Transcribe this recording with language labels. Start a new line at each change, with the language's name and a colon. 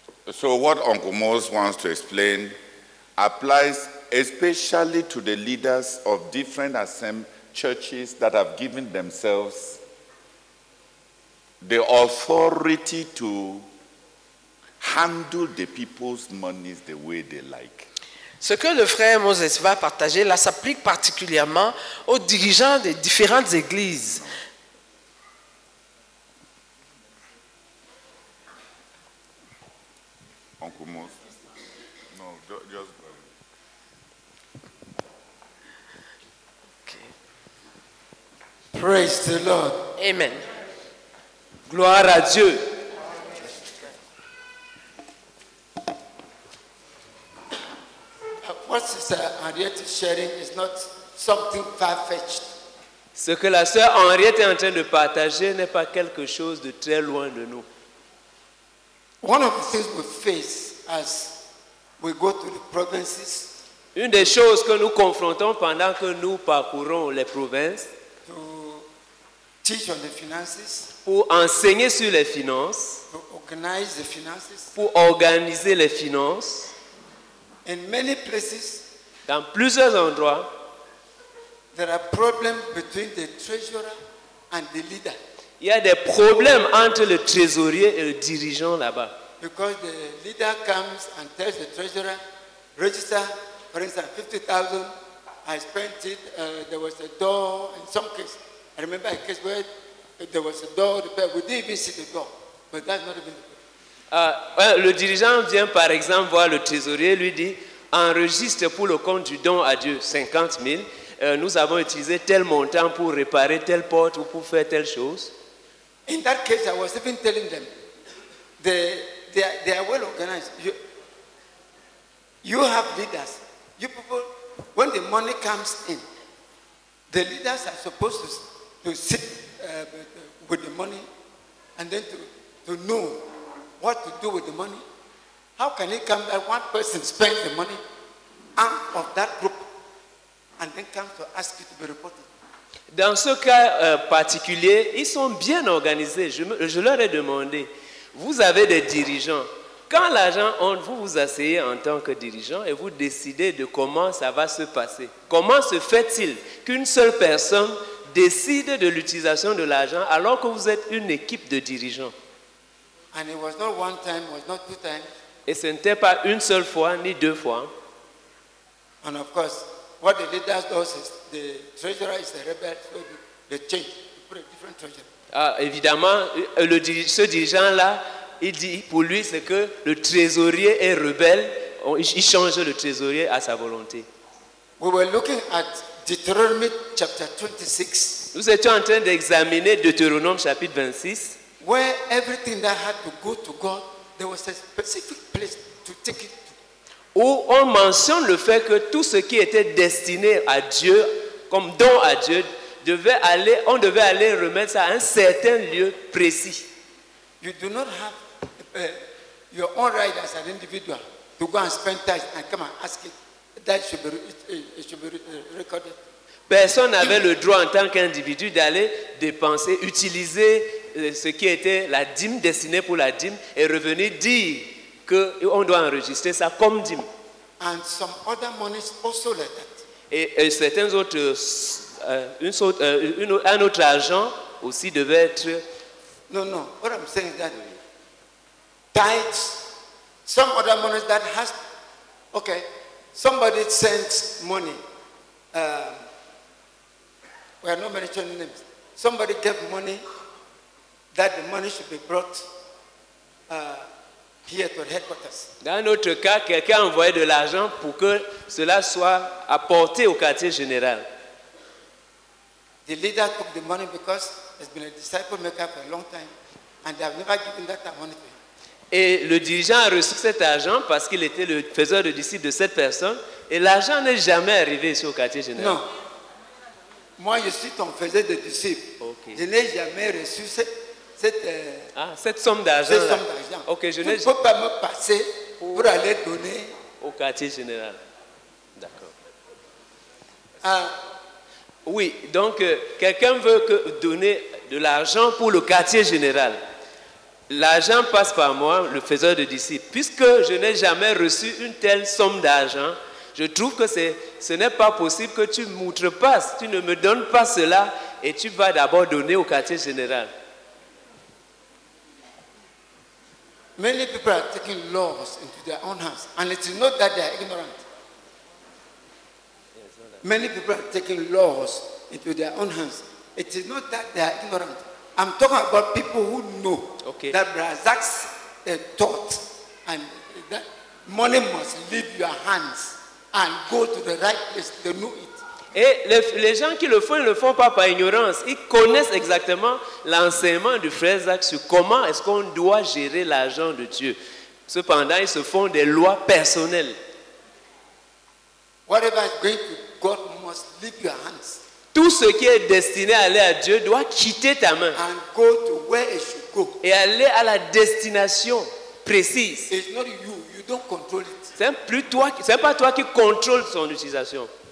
English: So what Uncle Mose wants to explain applies especially to the leaders of different churches that have given themselves the authority to handle the people's monies the way they like.
French: Ce que le frère Moses va partager là s'applique particulièrement aux dirigeants des différentes églises.
English: Uncle Moses. No, just go. Okay. Praise the Lord. Amen.
French: Gloire à Dieu.
English: What Sister Henriette is sharing is not something far-fetched.
French: Ce que la sœur Henriette est en train de partager n'est pas quelque chose de très loin de nous.
English: One of the things we face as we go to the provinces
French: Une des choses que nous confrontons pendant que nous parcourons les provinces
English: to teach on the finances,
French: pour enseigner sur les finances,
English: to organize the finances,
French: pour organiser les finances,
English: in many places,
French: dans plusieurs endroits,
English: there are problems between the treasurer and the leader.
French: Il y a des problèmes entre le trésorier et le dirigeant là-bas.
English: Because the leader comes and tells the treasurer, register, for instance, 50,000, I spent it, there was a door, in some case, I remember a case where there was a door repaired, we didn't even see the door, but that's not even the problem.
French: Le dirigeant vient par exemple voir le trésorier, lui dit, enregistre pour le compte du don à Dieu, 50 000, nous avons utilisé tel montant pour réparer telle porte ou pour faire telle chose.
English: In that case, I was even telling them, they are well organized. You have leaders. You people, when the money comes in, the leaders are supposed to sit with the money and then to know what to do with the money. How can it come that one person spends the money out of that group and then comes to ask you to be reported?
French: Dans ce cas particulier, ils sont bien organisés. Je leur ai demandé, vous avez des dirigeants. Quand l'argent entre, vous vous asseyez en tant que dirigeant et vous décidez de comment ça va se passer. Comment se fait-il qu'une seule personne décide de l'utilisation de l'argent alors que vous êtes une équipe de dirigeants?
English: And it was not one time, it was not two times.
French: Et ce n'était pas une seule fois ni deux fois.
English: And of course, what the leader does is the treasurer is the rebel, so they change, they put a different treasurer.
French: Évidemment, ce dirigeant-là, il dit pour lui c'est que le trésorier est rebelle, il change le trésorier à sa volonté.
English: We were looking at Deuteronomy chapter 26.
French: Nous étions en train d'examiner Deutéronome chapitre 26.
English: Where everything that had to go to God, there was a specific place to take it.
French: Où on mentionne le fait que tout ce qui était destiné à Dieu, comme don à Dieu, on devait aller remettre ça à un certain lieu précis.
English: You do not have your own right as an individual to go and spend time and come and ask it. That should be recorded.
French: Personne n'avait le droit en tant qu'individu d'aller dépenser, utiliser ce qui était la dîme destinée pour la dîme et revenir dire que on doit enregistrer ça comme dîme.
English: And some other monies also like that.
French: Et certains autres, un autre argent aussi devait être.
English: No. What I'm saying is that tithes, some other money that has. Okay, somebody sends money. We are not mentioning names. Somebody gave money that the money should be brought here to the headquarters.
French: Dans notre cas, quelqu'un a envoyé de l'argent pour que cela soit apporté au quartier général.
English: The leader took the money because he's been a disciple maker for a long time. And they have never given that money to him.
French: Et le dirigeant a reçu cet argent parce qu'il était le faiseur de disciples de cette personne et l'argent n'est jamais arrivé ici au quartier général. Non. Moi, je suis ton faiseur de disciples. Okay. Je n'ai jamais reçu cette somme d'argent. Cette somme d'argent. Okay, je ne peux pas me passer pour aller donner au quartier général. D'accord. Oui, donc quelqu'un veut que donner de l'argent pour le quartier général. L'argent passe par moi, le faiseur de disciples. Puisque je n'ai jamais reçu une telle somme d'argent, je trouve que ce n'est pas possible que tu m'outrepasses, tu ne me donnes pas cela et tu vas d'abord donner au quartier général.
English: Many people are taking laws into their own hands, and it is not that they are ignorant. Many people are taking laws into their own hands. It is not that they are ignorant. I'm talking about people who know that Brazak's thought and that money must leave your hands and go to the right place. They know it.
French: Et les gens qui le font pas par ignorance. Ils connaissent exactement l'enseignement du frère Zach sur comment est-ce qu'on doit gérer l'argent de Dieu. Cependant, ils se font des lois personnelles.
English: Whatever is going to God must leave your hands.
French: Tout ce qui est destiné à aller à Dieu doit quitter ta main.
English: And go to where it should go.
French: Et aller à la destination précise.
English: It's not you. You don't control it.
French: C'est pas toi qui contrôle son utilisation.